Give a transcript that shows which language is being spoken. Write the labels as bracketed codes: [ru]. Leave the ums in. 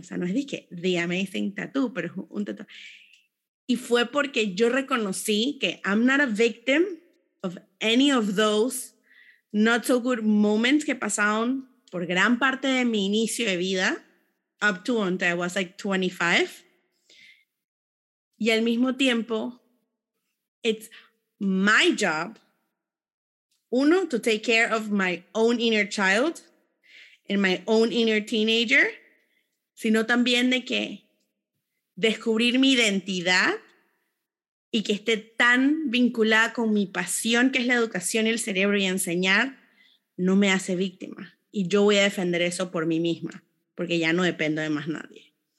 [es] O sea, no es que, [en] the amazing tattoo, [es] pero es un tatuaje. Y fue porque yo reconocí que [en] I'm not a victim of any of those not so good moments [es] que pasaron por gran parte de mi inicio de vida, [en] up to when I was like 25. And at the same time, it's my job, uno, to take care of my own inner child and my own inner teenager. [es] sino también de que descubrir mi identidad y que esté tan vinculada con mi pasión, que es la educación y el cerebro y enseñar, no me hace víctima. Y yo voy a defender eso por mí misma, porque ya no dependo de más nadie.